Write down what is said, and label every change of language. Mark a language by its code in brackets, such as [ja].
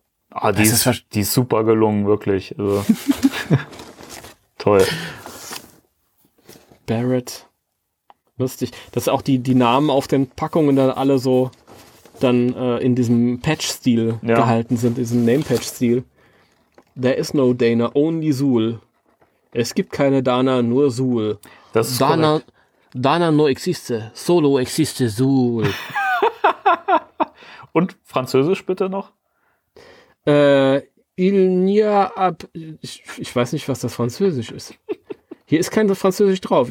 [de] Ah, die ist super gelungen, wirklich. Also. Toll. Barrett. Lustig. Das ist auch die Namen auf den Packungen dann alle so dann in diesem Patch-Stil gehalten sind, in diesem Name-Patch-Stil. [en] There is no Dana, only Zul. [de] Es gibt keine Dana, nur Zul. Das ist [es] Dana, Dana no existe, solo existe Zul. [de] Und Französisch bitte noch? [fr] Il n'y a ab. [de] Ich weiß nicht, was das Französisch ist. Hier ist kein Französisch drauf.